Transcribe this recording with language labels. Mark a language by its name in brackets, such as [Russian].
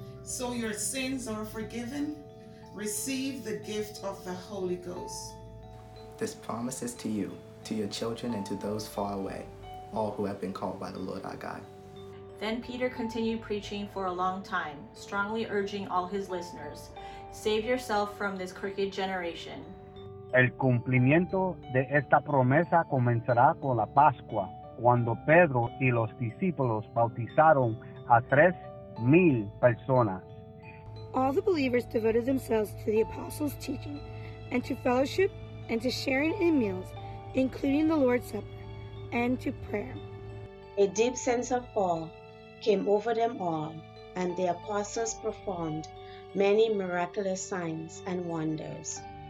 [English] So your sins are forgiven. Receive the gift of the Holy Ghost. This promise is to you, to your children, and to those far away, all who have been called by the Lord our God. Then Peter continued preaching for a long time, strongly urging all his listeners, save yourself from this crooked generation. [Spanish] El cumplimiento de esta promesa comenzará con la Pascua, cuando Pedro y los discípulos bautizaron a 3,000 personas. [English] All the believers devoted themselves to the apostles' teaching and to fellowship and to sharing in meals, including the Lord's Supper, and to prayer. A deep sense of awe came over them all, and the apostles performed many miraculous signs and wonders.